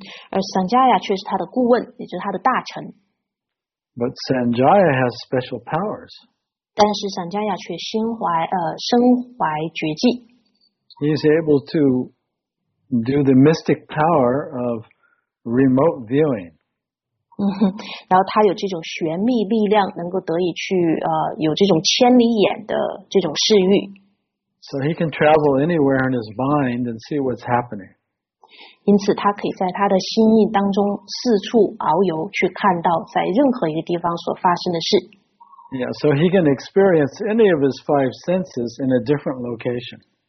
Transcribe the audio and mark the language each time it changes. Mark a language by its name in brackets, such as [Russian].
[Chinese] 而 Sanjaya 却是他的顾问，也就是他的大臣。 [English] But Sanjaya has special powers. [Chinese] 但是 Sanjaya 却身怀绝技。 [English] He's able to do the mystic power of remote viewing. [Chinese] 然后他有这种玄秘力量，能够得以去有这种千里眼的这种视域。 [English] So he can travel anywhere in his mind and see what's happening. [Chinese] 因此他可以在他的心意当中四处遨游，去看到在任何一个地方所发生的事。 [English] Yeah, so he can experience any of his five senses in a different location.